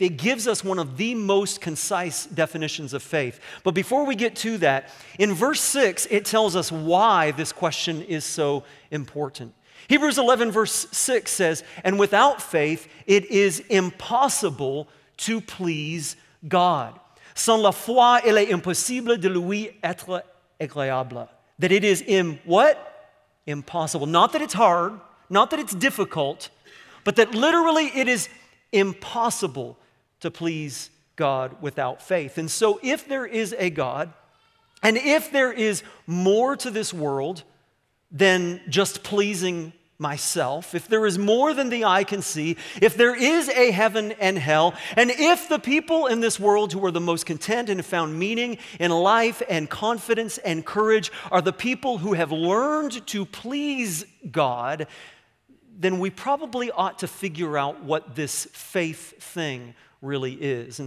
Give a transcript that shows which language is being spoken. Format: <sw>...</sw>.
<en>It gives us one of the most concise definitions of faith. But before we get to that, in verse 6, it tells us why this question is so important. Hebrews 11, verse 6 says, and without faith, it is impossible to please God.</en> <fr>Sans la foi, il est impossible de lui être agréable.</fr> <en>That it is in what? Impossible. Not that it's hard, not that it's difficult, but that literally it is impossible to please God without faith. And so if there is a God, and if there is more to this world than just pleasing myself, if there is more than the eye can see, if there is a heaven and hell, and if the people in this world who are the most content and have found meaning in life and confidence and courage are the people who have learned to please God, then we probably ought to figure out what this faith thing really is.</en>